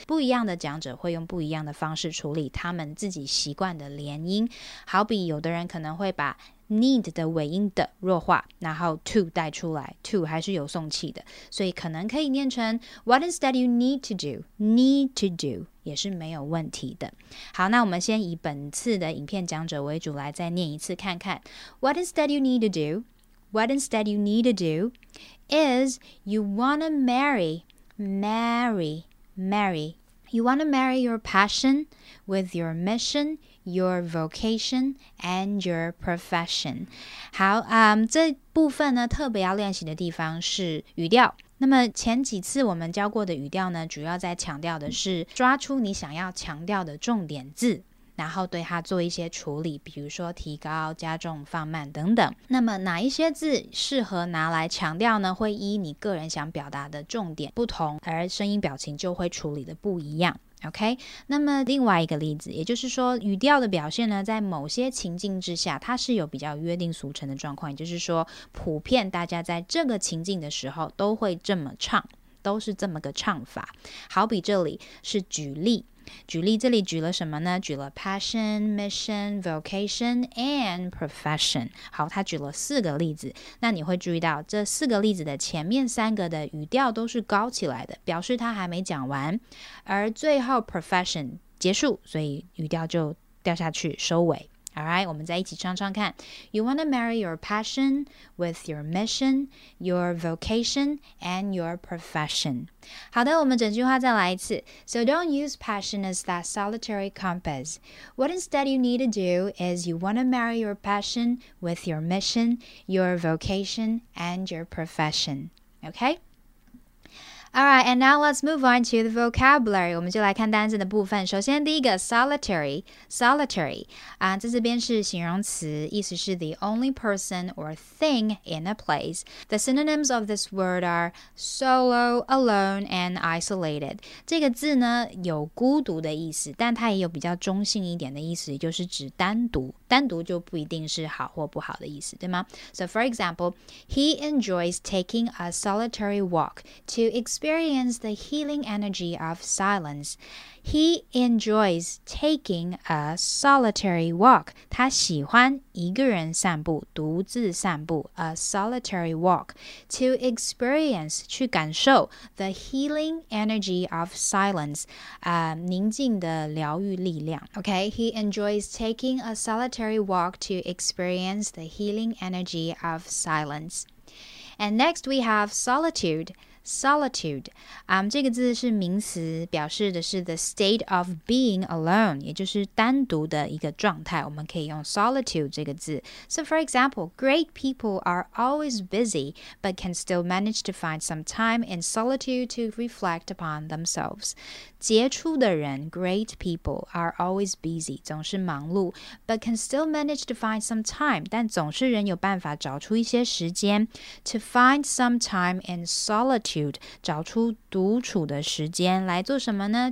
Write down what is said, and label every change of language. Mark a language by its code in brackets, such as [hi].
[zh] 不一样的讲者会用不一样的方式处理他们自己习惯的连音，好比有的人可能会把need 的尾音的弱化，然后 to 带出来， to 还是有送气的，所以可能可以念成 [en] what instead you need to do, [zh] need to do 也是没有问题的。好，那我们先以本次的影片讲者为主来再念一次看看。 [en] What instead you need to do? What instead you need to do is you wanna marry, marry, marry. You wanna marry your passion with your mission,your vocation and your profession. [zh] 好，这部分呢特别要练习的地方是语调。那么前几次我们教过的语调呢，主要在强调的是抓出你想要强调的重点字，然后对它做一些处理，比如说提高、加重、放慢等等。那么哪一些字适合拿来强调呢？会依你个人想表达的重点不同，而声音表情就会处理的不一样。 OK， 那么另外一个例子，也就是说语调的表现呢，在某些情境之下它是有比较约定俗成的状况，也就是说普遍大家在这个情境的时候都会这么唱，都是这么个唱法。好比这里是举例，举例这里举了什么呢？举了 passion, mission, vocation and profession。好，他举了四个例子，那你会注意到这四个例子的前面三个的语调都是高起来的，表示他还没讲完，而最后 profession 结束，所以语调就掉下去收尾。 [en] Alright, [zh] 我们再一起唱唱看。 [en] You wanna marry your passion with your mission, your vocation and your profession。 [zh] 好的，我们整句话再来一次。 [en] So don't use passion as that solitary compass. What instead you need to do is you want to marry your passion with your mission, your vocation and your profession. Okay? Alright, and now let's move on to the vocabulary. [zh] 我们就来看单字的部分。首先第一个 solitary, solitary, 在这边是形容词，意思是 [en] the only person or thing in a place. The synonyms of this word are solo, alone, and isolated. [zh] 这个字呢有孤独的意思，但它也有比较中性一点的意思，也就是指单独。单独就不一定是好或不好的意思，对吗？ [en] So for example, he enjoys taking a solitary walk to experience the healing energy of silence. He enjoys taking a solitary walk. [zh] 他喜欢一个人散步，独自散步， [en] a solitary walk to experience, [zh] 去感受 [en] the healing energy of silence, [zh] 宁静的疗愈力量。 [en] Okay, he enjoys taking a solitary walk to experience the healing energy of silence. And next we have solitude. [zh] Solitude, 这个字是名词，表示的是 [en] the state of being alone, [zh] 也就是单独的一个状态，我们可以用 solitude 这个字。 [en] So for example, great people are always busy, but can still manage to find some time in solitude to reflect upon themselves. [zh] 杰出的人 [en] great people are always busy, [zh] 总是忙碌， [en] but can still manage to find some time, [zh] 但总是人有办法找出一些时间 [en] to find some time in solitude, [zh] 找出独处的时间来做什么呢？